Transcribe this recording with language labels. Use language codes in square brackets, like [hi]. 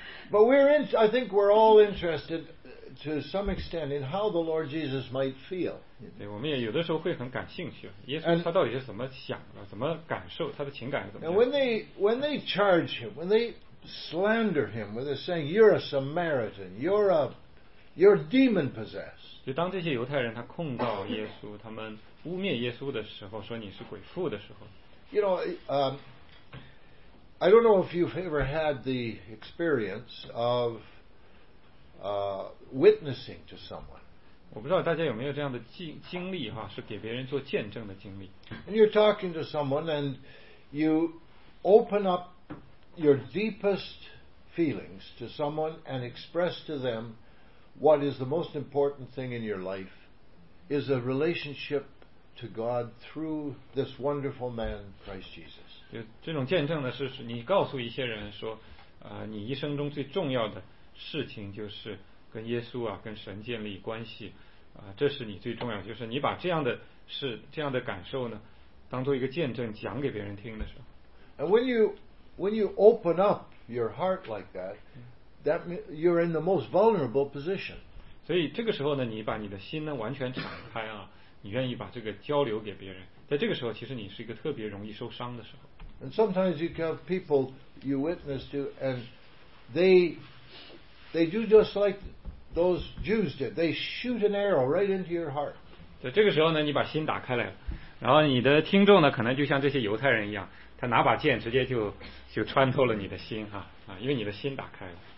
[en] But I think we're all interested, to some extent, in how the Lord Jesus might feel. [zh] 对，我们也有的时候会很感兴趣，耶稣他到底是怎么想的，怎么感受，他的情感是怎么样。 [en] And when they charge him, when they slander him, when they're saying you're a Samaritan, you're demon possessed. [zh] 就当这些犹太人他控告耶稣，他们污蔑耶稣的时候，说你是鬼附的时候。 [en] You know, I don't know if you've ever had the experience of witnessing to someone. [zh] 我不知道大家有没有这样的经历哈，是给别人做见证的经历。 [en] And you're talking to someone and you open up your deepest feelings to someone and express to them what is the most important thing in your life is a relationship to God through this wonderful man, Christ Jesus. [zh] 就这种见证呢，是你告诉一些人说，你一生中最重要的事情就是跟耶稣啊，跟神建立关系啊，这是你最重要，就是你把这样的事，这样的感受呢，当做一个见证讲给别人听的时候。 [en] And when you open up your heart like that you're in the most vulnerable position. [zh] 所以这个时候呢，你把你的心呢完全敞开啊，你愿意把这个交流给别人，在这个时候，其实你是一个特别容易受伤的时候。 [en] And sometimes you have people you witness to, and they do just like those Jews did. They shoot an arrow right into your heart. [zh] 在这个时候呢，你把心打开来了，然后你的听众呢，可能就像这些犹太人一样，他拿把剑直接就穿透了你的心哈啊，因为你的心打开了。